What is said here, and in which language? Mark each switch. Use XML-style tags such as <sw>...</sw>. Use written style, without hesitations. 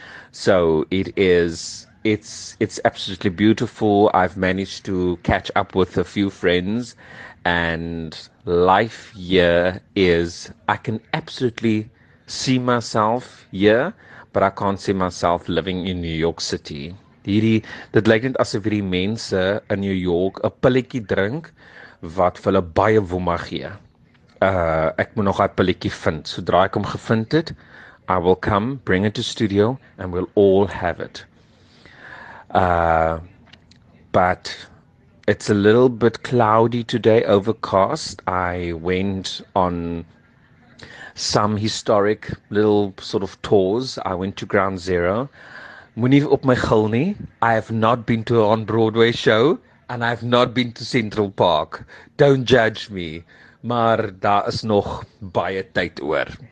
<en>So it is, it's absolutely beautiful. I've managed to catch up with a few friends and life here is, I can absolutely see myself here, but I can't see myself living in New York City.</en> <af>Hierdie, dit lyk net asof hierdie mense in New York 'n pilletjie drink wat vir hulle baie woema gee. Ek moet nog 'n pilletjie vind.</af> <en>Sodra ek hom gevind het, I will come, bring it to studio and we'll all have it. But it's a little bit cloudy today, overcast. I went on some historic little sort of tours. I went to Ground Zero. Moenie op my gil nie. I have not been to on Broadway show. And I've not been to Central Park. Don't judge me.</en> <af>Maar daar is nog baie tyd oor.</af>